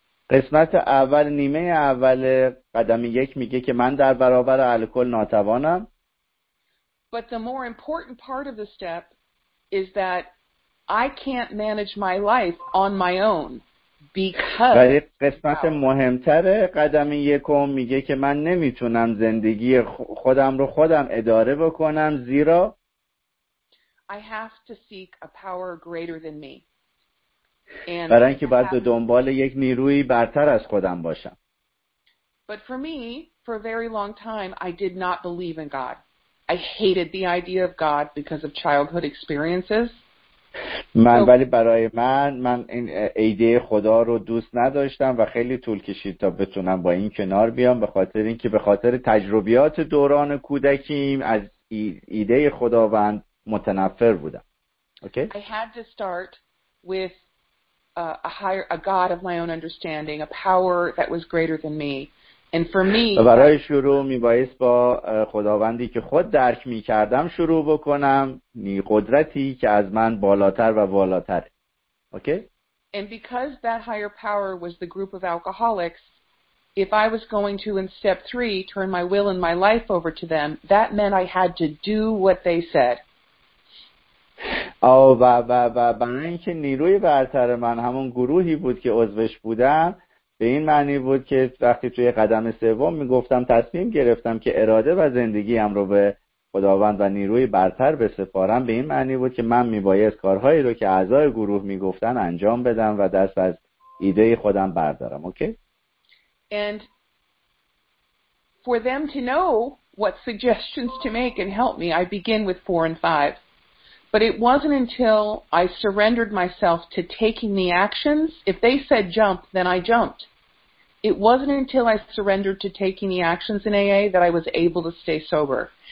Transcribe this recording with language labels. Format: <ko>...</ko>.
<fa>قسمت اول، نیمه اول قدم یک میگه که من در برابر الکل ناتوانم.</fa> <en>But the more important part of the step is that I can't manage my life on my own because.</en> <fa>ولی قسمت مهمتر قدم یکم میگه که من نمیتونم زندگی خودم رو خودم اداره بکنم زیرا.</fa> <en>I have to seek a power greater than me.</en> <fa>برای اینکه باید دنبال یک نیروی برتر از خودم باشم.</fa> <en>But for me, for a very long time, I did not believe in God. I hated the idea of God because of childhood experiences.</en> <fa>من ولی برای من، من این ایده خدا رو دوست نداشتم و خیلی طول کشید تا بتونم با این کنار بیام، به خاطر اینکه به خاطر تجربیات دوران کودکیم از ایده خداوند متنفر بودم. اوکی؟</fa> <en>I had to start with a higher, a God of my own understanding, a power that was greater than me. And for me,</en> <fa>برای شروع میبایست با خداوندی که خود درک میکردم شروع بکنم، نی قدرتی که از من بالاتر و بالاتر.</fa> <en>Okay? And because that higher power was the group of alcoholics, if I was going to, in step three, turn my will and my life over to them, that meant I had to do what they said.</en> <fa>و برای اینکه نیروی برتر من همون گروهی بود که عضوش بودم، به این معنی بود که وقتی توی قدم سوم میگفتم، تصمیم گرفتم که اراده و زندگیم رو به خداوند و نیروی برتر بسپارم، به این معنی بود که من میبایست کارهایی رو که اعضای گروه میگفتن انجام بدم و دست از ایده خودم بردارم. اوکی؟</fa> <en>And for them to know what suggestions to make and help me, I begin with 4 and 5. But it wasn't until I surrendered myself to taking the actions. If they said jump, then I jumped. It wasn't until I surrendered to taking the actions in AA that I was able to stay sober.</en>